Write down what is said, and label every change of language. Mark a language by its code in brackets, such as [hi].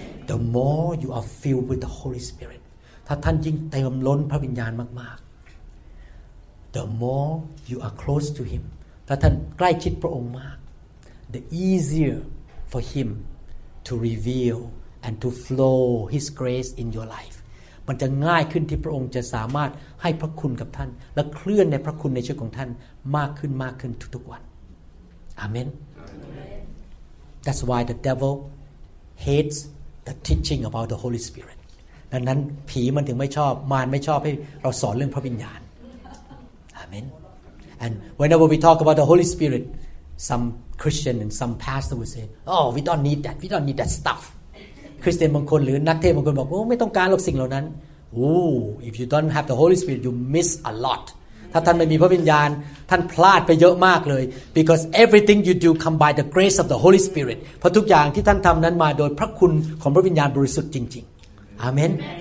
[en] The more you are filled with the Holy Spirit [th] ถ้าท่านยิ่งเต็มล้นพระวิญญาณมากๆ [en] The more you are close to him [th] ถ้าท่านใกล้ชิดพระองค์มาก [en] The easier for him to reveal and to flow his grace in your life [th] มันจะง่ายขึ้นที่พระองค์จะสามารถให้พระคุณกับท่านและเคลื่อนในพระคุณในชีวิตของท่านมากขึ้นมากขึ้นทุกๆวัน Amen [en] That's why the devil hates the teaching about the Holy Spirit [th] ดังนั้นผีมันถึงไม่ชอบมารไม่ชอบให้เราสอนเรื่องพระวิญญาณอาเมน [en] And whenever we talk about the Holy Spirit, some Christian and some pastor would say, "Oh, we don't need that. We don't need that stuff." [th] Christian บางคนหรือนักเทศน์บางคนบอกว่าไม่ต้องการหรอกสิ่งเหล่านั้น [en] Ooh, if you don't have the Holy Spirit, you miss a lot. [th] ถ้าท่านไม่มีพระวิญญาณท่านพลาดไปเยอะมากเลย [en] because everything you do come by the grace of the Holy Spirit. [th] เพราะทุกอย่างที่ท่านทำนั้นมาโดยพระคุณของพระวิญญาณบริสุทธิ์จริงๆ Amen.